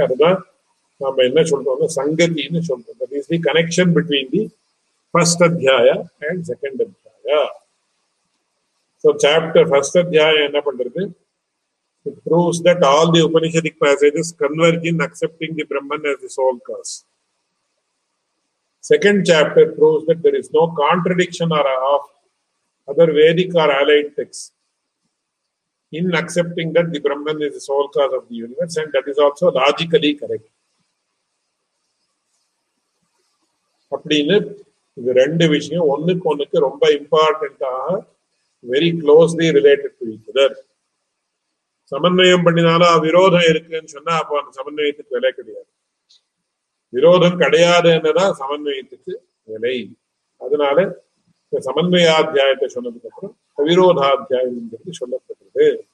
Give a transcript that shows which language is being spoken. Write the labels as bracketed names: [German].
[Tamil] அதுதான் நாம என்ன சொல்றோம்னா சங்கத்தின்னு சொல்றோம். [English] That is the connection between the first அத்தியாய and second அத்தியாய. So chapter first [Tamil] அத்தியாயம் என்ன பண்றது? [English] It proves that all the Upanishadic passages converge in accepting the Brahman as the sole cause. Second chapter proves that there is no contradiction or of other Vedic or allied texts in accepting that the Brahman is the sole cause of the universe, and that is also logically correct. [Tamil] அப்படின்னு இது ரெண்டு விஷயம் ஒண்ணுக்கு ஒண்ணுக்கு ரொம்ப இம்பார்ட்டன்டாக [English] very closely related to each other. [Tamil] சமன்வயம் பண்ணினாலும் விரோதம் இருக்குன்னு சொன்னா அப்போ அந்த சமன்வயத்துக்கு விலை கிடையாது. விரோதம் கிடையாது என்னதான் சமன்வயத்துக்கு விலை. அதனால இந்த சமன்வயாத்தியாயத்தை சொன்னதுக்கப்புறம் அவிரோதாத்தியாயம்ங்கிறது சொல்லப்படுறது.